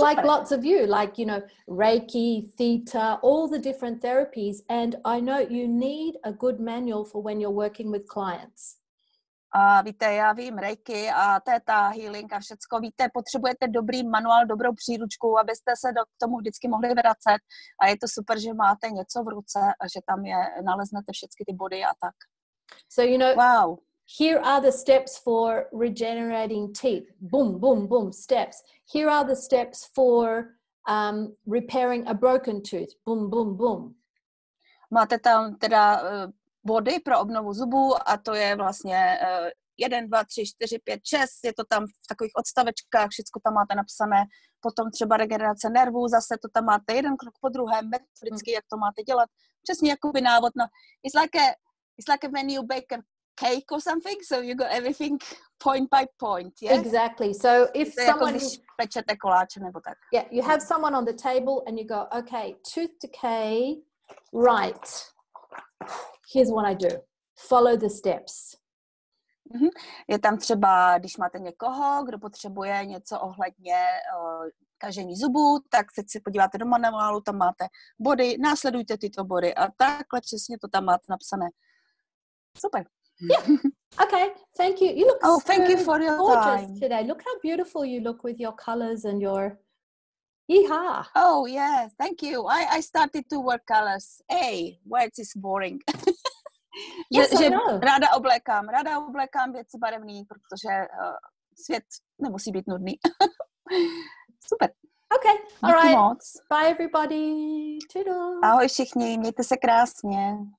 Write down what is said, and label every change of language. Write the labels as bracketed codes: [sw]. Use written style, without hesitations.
[en] Like lots of you, like, you know, Reiki, Theta, all the different therapies, and I know you need a good manual for when you're working with clients. [cs] A víte, já vím, Reiki a Theta, healing a všecko, víte, potřebujete dobrý manuál, dobrou příručku, abyste se k tomu vždycky mohli vracet a je to super, že máte něco v ruce a že tam je, naleznete všechny ty body a tak. [en] So, you know, wow. Here are the steps for regenerating teeth. Boom, boom, boom, steps. Here are the steps for repairing a broken tooth. Boom, boom, boom. [cs] Máte tam teda body pro obnovu zubů a to je vlastně 1, 2, 3, 4, 5, 6. Je to tam v takových odstavečkách, všechno tam máte napsané. Potom třeba regenerace nervů, zase to tam máte jeden krok po druhém, metodicky, jak to máte dělat. Přesně jakoby návod. [en] No, It's like a when you bake a cake or something, so you got everything point by point, yes? Exactly. So if to someone... [cs] Jako, když pečete koláče nebo tak. [en] Yeah, you have someone on the table and you go, okay, tooth decay, right. Here's what I do. Follow the steps. Mm-hmm. [cs] Je tam třeba, když máte někoho, kdo potřebuje něco ohledně kažení zubů, tak teď si podíváte do manuálu, tam máte body, následujte tyto body a takhle přesně to tam máte napsané. Super. [en] Yeah. Okay. Thank you. You look so thank you for your gorgeous time. Today. Look how beautiful you look with your colors and your yeehaw. Oh yes. Thank you. I started to wear colors. Hey, words is boring. Yes, [cs] že [en] I know. [cs] Ráda oblékám věci barevné, protože svět nemusí být nudný. Super. [en] Okay. All right. Moc. Bye everybody. Toodles. [cs] Ahoj všichni. Mějte se krásně.